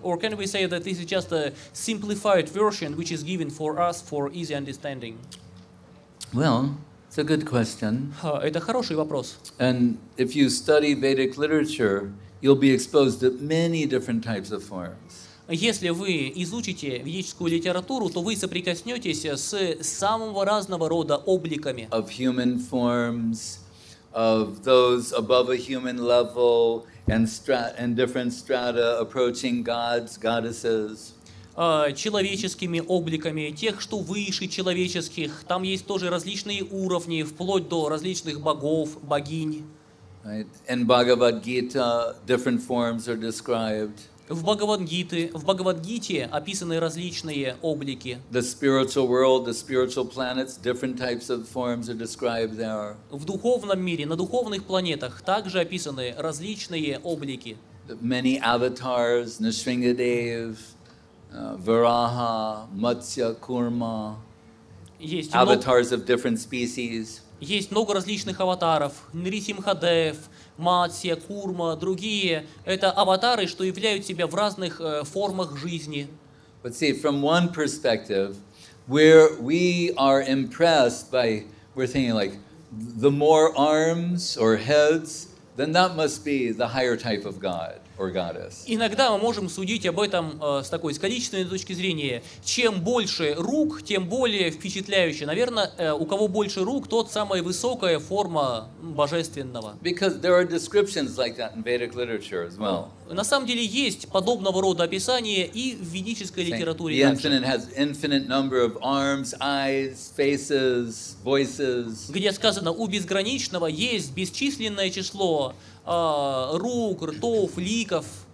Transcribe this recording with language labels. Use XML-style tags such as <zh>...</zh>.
<en>Or can we say that this is just a simplified version which is given for us for easy understanding? Well, it's a good question.</en> <ru>Это хороший вопрос.</ru> <en>And if you study Vedic literature, you'll be exposed to many different types of forms.</en> <ru>Если вы изучите ведическую литературу, то вы соприкоснетесь с самого разного рода обликами.</ru> <en>Of human forms, of those above a human level, and different strata approaching gods, goddesses.</en> <ru>Человеческими обликами, тех, что выше человеческих. Там есть тоже различные уровни, вплоть до различных богов, богинь.</ru> <en>In Bhagavad-gita, different forms are described.</en> <ru>В Бхагавад-гите описаны различные облики.</ru> <en>The spiritual world, the spiritual planets, different types of forms are described there.</en> <ru>В духовном мире, на духовных планетах, также описаны различные облики.</ru> <en>Many avatars, Нрисингхадев, Вараха, Матсья, Курма. Avatars of different species.</en> <ru>Есть много различных аватаров. Нрисимхадев, Матсья, Курма, другие. Это аватары, что являют себя в разных формах жизни.</ru> <en>But see, from one perspective, where we are impressed by, we're thinking like, the more arms or heads, then that must be the higher type of God. Or goddess.</en> <ru>Иногда мы можем судить об этом с такой с количественной точки зрения. Чем больше рук, тем более впечатляюще. Наверное, у кого больше рук, тот самая высокая форма божественного.</ru> <en>Because there are descriptions like that in Vedic literature as well.</en> <ru>На самом деле есть подобного рода описания и в ведической литературе.</ru> <en>The infinite has infinite number of arms, eyes, faces, voices.</en> <ru>Где сказано, у безграничного есть бесчисленное число рук, ртов, ликов.</ru>